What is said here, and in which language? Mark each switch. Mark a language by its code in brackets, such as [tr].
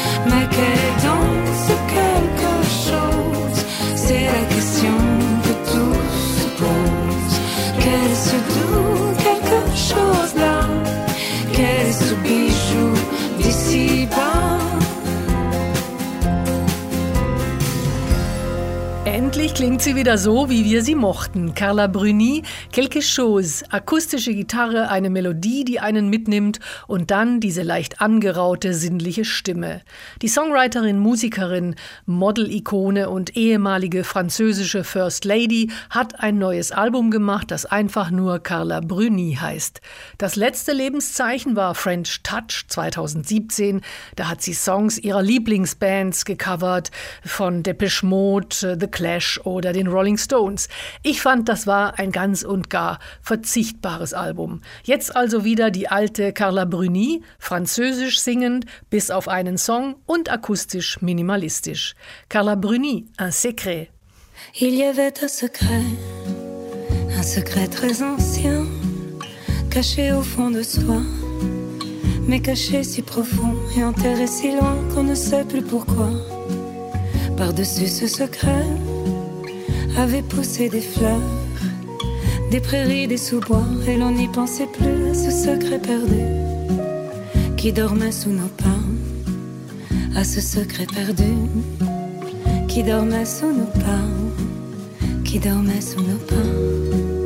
[fr] Mais quel est donc ce quelque chose? C'est la question que tous se posent. Qu'est-ce tout quelque chose là? Qu'est-ce ce bijou d'ici bas? [de] Endlich klingt sie wieder so, wie wir sie mochten. [fr] Carla Bruni, quelque chose. [de] Akustische Gitarre, eine Melodie, die einen mitnimmt und dann diese leicht angeraute, sinnliche Stimme. Die Songwriterin, Musikerin, Model-Ikone und ehemalige französische First Lady hat ein neues Album gemacht, das einfach nur Carla Bruni heißt. Das letzte Lebenszeichen war French Touch 2017. Da hat sie Songs ihrer Lieblingsbands gecovert, von Depeche Mode, The Clash oder den Rolling Stones. Ich fand, das war ein ganz und gar verzichtbares Album. Jetzt also wieder die alte Carla Bruni, französisch singend, bis auf einen Song und akustisch minimalistisch. [fr] Carla Bruni, un secret. Il y avait un secret très ancien, caché au fond de soi, mais caché si profond et enterré si loin qu'on ne sait plus pourquoi. Par-dessus ce secret avait poussé des fleurs, des prairies, des sous-bois, et l'on n'y pensait plus à ce secret perdu qui dormait sous nos pas, à ce secret perdu qui dormait sous nos pas, qui dormait sous nos pas.